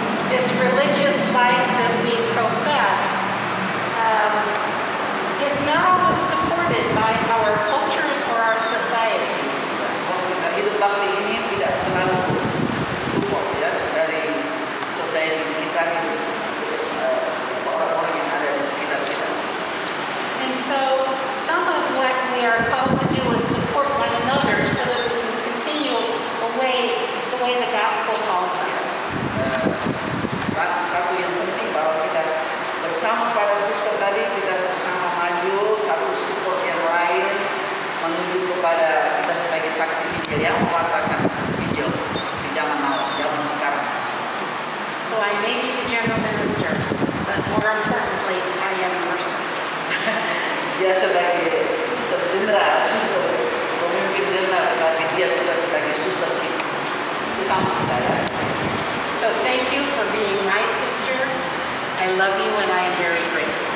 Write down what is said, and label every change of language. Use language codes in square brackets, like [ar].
[en] This religious life that we professed is not always supported by our cultures or our society. [id] Hidup bakti ini tidak selalu support ya dari society kita, hidup orang-orang yang ada di sekitar kita. [en] And so some of what we are called to do is support one another so that we can continue the way the gospel calls us. [id] Satu yang penting bahwa kita bersama para suster tadi, kita bersama maju, satu support yang lain menuju kepada kita sebagai saksi Injil yang mewartakan Injil di zaman now, zaman sekarang. [en] So I may be the general minister, but more importantly, I am your sister. [id] Dia sebagai suster jenderal, suster pemimpin jenderal, tetapi dia juga sebagai suster kita. Sesama kita ya. [en] So thank you for being my sister. I love you and I am very grateful.